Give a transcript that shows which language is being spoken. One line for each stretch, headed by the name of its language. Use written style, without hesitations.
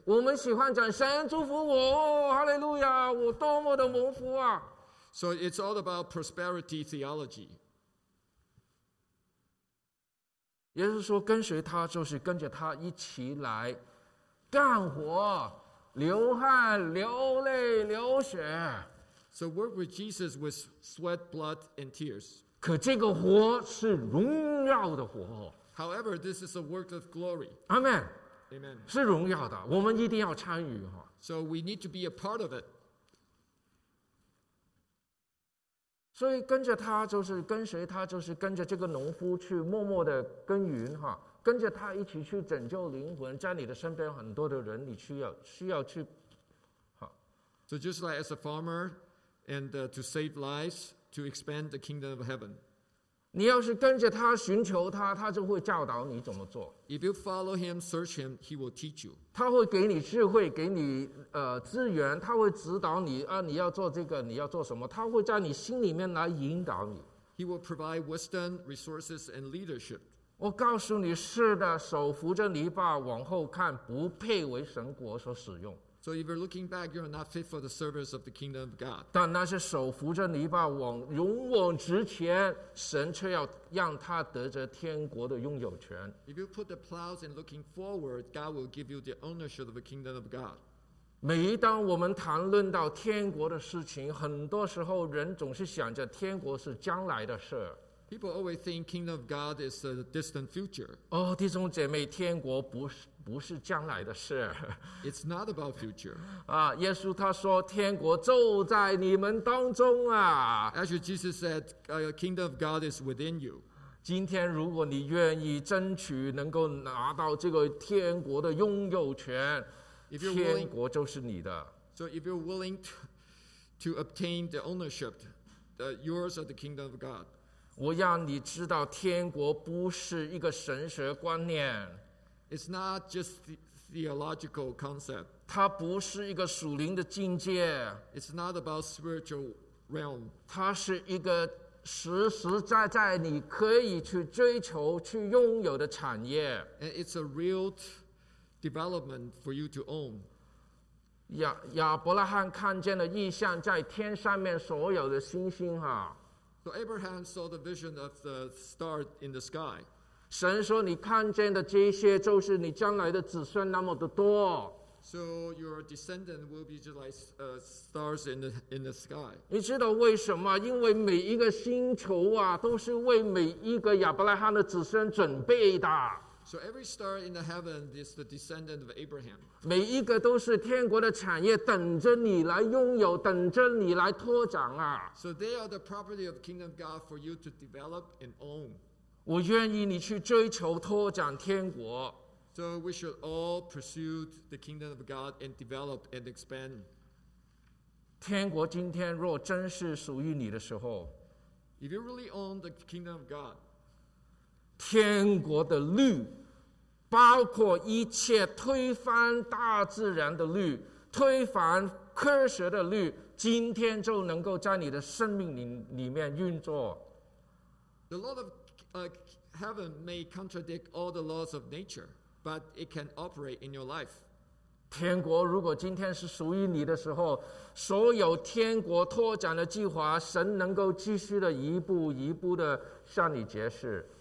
Chinese: 我们喜欢讲神祝福我，哈利路亚，我多么的蒙福啊
English: ！So it's all about prosperity theology.
Chinese: 耶稣说跟随他就是跟着他一起来干活流汗流泪流血
English: So work with Jesus with sweat, blood and tears
Chinese: 可这个活是荣耀的活
English: However, this is a work of glory Amen, Amen.
Chinese: 是荣耀的我们一定要参与
English: So we need to be a part of it
Chinese: 所以跟着他就是跟随他就是跟着这个农夫去默默的耕耘哈，跟着他一起去拯救灵魂，在你的身边很多的人，你需要去，哈。
English: So just like as a farmer, and to save lives, to expand the kingdom of heaven.
Chinese: 你要是跟着他寻求他，他就会教导你怎么做。
English: If you follow him, search him, he will teach you.
Chinese: 他会给你智慧，给你资源，他会指导你啊，你要做这个，你要做什么，他会在你心里面来引导你。
English: He will provide wisdom, resources, and leadership.
Chinese: 我告诉你，是的，手扶着篱笆往后看，不配为神国所使用。
English: So if you're looking back, you're not fit for the service of the kingdom of God.
Chinese: 但那些手扶着篱笆往勇往直前，神却要让他得着天国的拥有权。
English: If you put the plows and looking forward, God will give you the ownership of the kingdom of God.
Chinese: 每一当我们谈论到天国的事情，很多时候人总是想着天国是将来的事。
English: People always think kingdom of God is a distant future.
Chinese: 哦，弟兄姐妹，天国不是不是将来的事。
English: It's not about future.
Chinese: 啊，耶稣他说，天国就在你们当中啊。
English: Actually, Jesus said, "The kingdom of God is within you."
Chinese: 今天如果你愿意争取能够拿到这个天国的拥有权，
English: if you're
Chinese: 天国就是你的。
English: So if you're willing to obtain the ownership, the yours of the kingdom of God.
Chinese: 我让你知道，天国不是一个神学观念。
English: It's not just the theological concept.
Chinese: 它不是一个属灵的境界。
English: It's not about spiritual realm.
Chinese: 它是一个实实在在你可以去追求、去拥有的产业。
English: And it's a real development for you to own.
Chinese: 亚伯拉罕看见了异象，在天上面所有的星星啊。
English: So Abraham saw the vision of the star in the sky.
Chinese: 神说你看见的这些就是你将来的子孙那么的多。
English: So your descendant will be just like stars in the sky.
Chinese: 你知道为什么？因为每一个星球啊，都是为每一个亚伯拉罕的子孙准备的。
English: So every star in the heaven is the descendant of Abraham.
Chinese: 每一个都是天国的产业，等着你来拥有，等着你来拓展啊。
English: So they are the property of the kingdom of God for you to develop and own.
Chinese: 我愿意你去追求拓展天国。
English: So we should all pursue the kingdom of God and develop and expand.
Chinese: 天国今天若真是属于你的时候，
English: If you really own the kingdom of God,
Chinese: 天国的律，包括一切推翻大自然的律、推翻科学的律，今天就能够在你的生命里面运作。
English: The law ofheaven may contradict all the laws of nature, but it can operate in your life.
Chinese: 天国如果今天是属于你的时候，所有天国拓展的计划，神能够继续的一步一步的向你揭示。